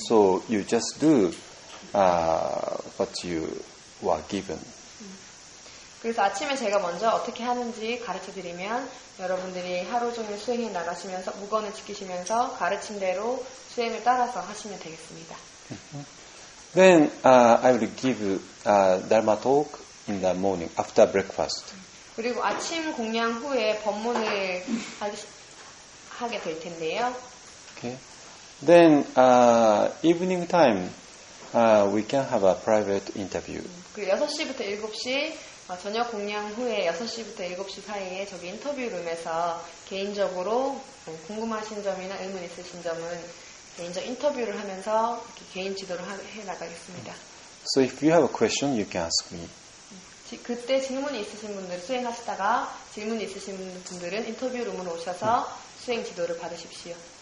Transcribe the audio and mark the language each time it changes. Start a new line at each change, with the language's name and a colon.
English: So you just do what you were given.
Korean: 그래서 아침에 제가 먼저 어떻게 하는지 가르쳐드리면 여러분들이 하루 종일 수행해 나가시면서 무건을 지키시면서 가르침대로 수행을 따라서 하시면 되겠습니다.
English: Then I will give Dharma talk in the morning after breakfast.
Korean: 그리고 아침 공양 후에 법문을 하게 될 텐데요.
English: Okay. Then evening time we can have a private interview.
Korean: 그 6시부터 7시 저녁 공양 후에 6시부터 7시 사이에 저기 인터뷰 룸에서 개인적으로 궁금하신 점이나 의문 있으신 점은 개인적 인터뷰를 하면서 이렇게 개인 지도를 해 나가겠습니다.
English: So if you have a question, you can ask me.
Korean: 그때 질문이 있으신 분들 수행하시다가 질문이 있으신 분들은 인터뷰 룸으로 오셔서 수행 지도를 받으십시오.